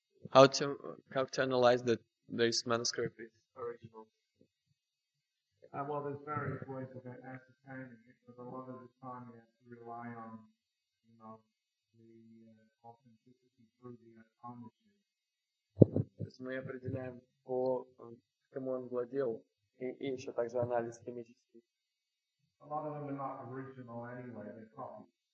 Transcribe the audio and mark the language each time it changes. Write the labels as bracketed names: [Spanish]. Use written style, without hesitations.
[English] How to analyze that this manuscript is original? Well, there's various ways of ascertaining it, but a lot of the time you have to rely on, you know, the authenticity through the ownership. [Russian] То есть мы определяем по кому он владел и еще также анализ химический. [English] A lot of them are not original anyway; they're copies.